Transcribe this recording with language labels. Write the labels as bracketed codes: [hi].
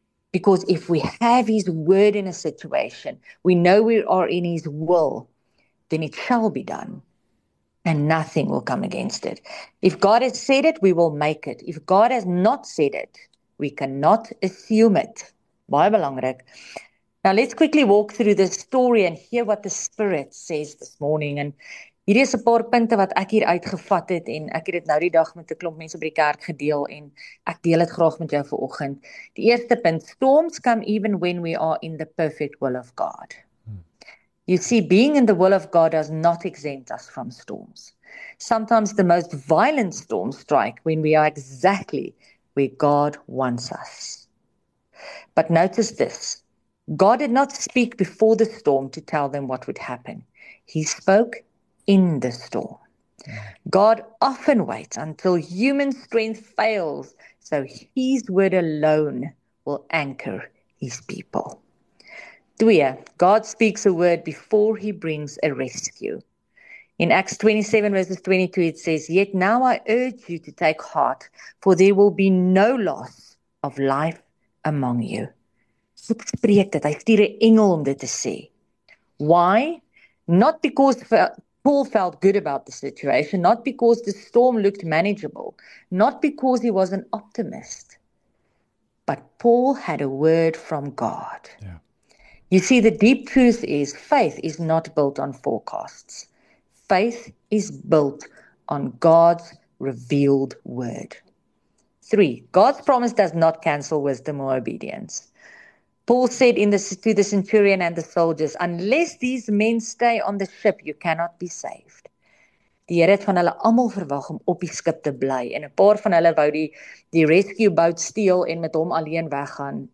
[en] Because if we have his word in a situation, we know we are in his will, then it shall be done. And nothing will come against it. If God has said it, we will make it. If God has not said it, we cannot assume it. [af] Baie belangrik. [en] Now let's quickly walk through this story and hear what the Spirit says this morning. [af] And hierdie is 'n paar punte wat ek hier uitgevat het en ek het dit nou die dag met 'n klomp mense by die kerk gedeel en ek deel dit graag met jou vanoggend. Die eerste punt, [en] storms come even when we are in the perfect will of God. You see, being in the will of God does not exempt us from storms. Sometimes the most violent storms strike when we are exactly where God wants us. But notice this, God did not speak before the storm to tell them what would happen. He spoke in the storm. God often waits until human strength fails, so his word alone will anchor his people. Twee, God speaks a word before he brings a rescue. In Acts 27 verses 22 it says, yet now I urge you to take heart, for there will be no loss of life among you. [af] So spreek dit, hy stuur 'n engel om dit te sê. [en] Why? Not because Paul felt good about the situation, not because the storm looked manageable, not because he was an optimist. But Paul had a word from God. You see, the deep truth is faith is not built on forecasts. Faith is built on God's revealed word. 3, God's promise does not cancel wisdom or obedience. Paul said to the centurion and the soldiers, unless these men stay on the ship, you cannot be saved. [af] Die Here het van hulle almal verwag om op die skip te bly en 'n paar van hulle wou die [en] rescue boat [af] steel en met hom alleen weggaan.